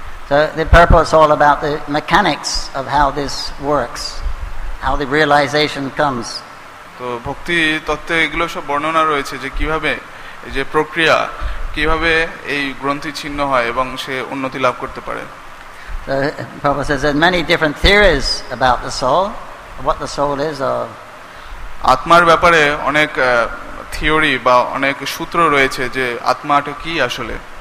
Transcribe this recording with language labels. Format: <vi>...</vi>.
<en>So the purpose all about the mechanics of how this works, how the realization comes.</en> <bn>তো ভক্তি তত্ত্বে এগুলো সব বর্ণনা রয়েছে যে কিভাবে যে প্রক্রিয়া, কিভাবে এই গ্রন্থি ছিন্ন হয় এবং সে উন্নতি লাভ করতে পারে।</bn> <en>So Prabhupada says there are many different theories about the soul, what the soul is.</en> <bn>আত্মার ব্যাপারে অনেক থিওরি বা অনেক সূত্র রয়েছে যে আত্মাটা কি আসলে।</bn>